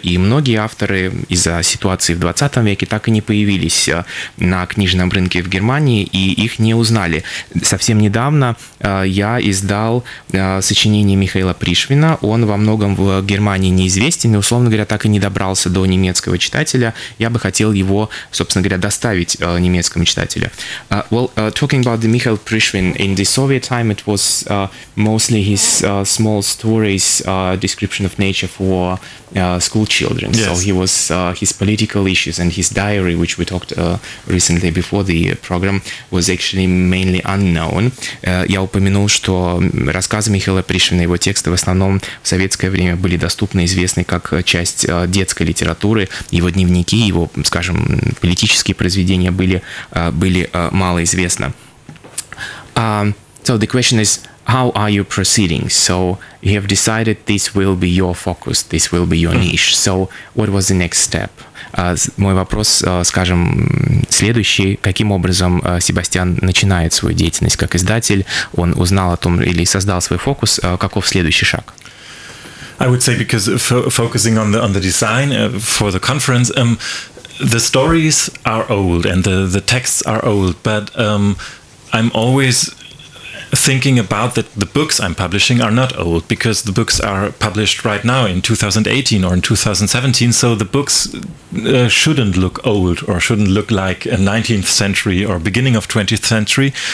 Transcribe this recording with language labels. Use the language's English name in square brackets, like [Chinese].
[Russian] И многие авторы из-за ситуации в 20 веке так и не появились на книжном рынке в Германии, и их не узнали. Совсем недавно я издал сочинение Михаила Пришвина. Он во многом в Германии неизвестен и, условно говоря, так и не добрался до немецкого читателя. Я бы хотел его, собственно говоря, доставить немецкому читателю. [English] Talking about the Mikhail Prishvin, in the Soviet time it was mostly his small stories, description of nature for school children. Yes. So he was his political issues and his diary, which we talked recently before the program, was actually mainly unknown. [Russian] Я упомянул, что рассказы Михаила Пришвина, его тексты в основном в советское время были доступны, известны как часть детской литературы. Его дневники, его, скажем, политические произведения были малоизвестны. [English] So the question is, how are you proceeding? So you have decided this will be your focus, this will be your niche. So what was the next step? [Russian] Мой вопрос, скажем, следующий. Каким образом Себастьян начинает свою деятельность как издатель? Он узнал о том или создал свой фокус. Каков следующий шаг? [English] I would say because focusing on the design for the conference, the stories are old and the texts are old, but I'm always thinking about that the books I'm publishing are not old, because the books are published right now in 2018 or in 2017, so the books shouldn't look old or shouldn't look like a 19th century or beginning of 20th century.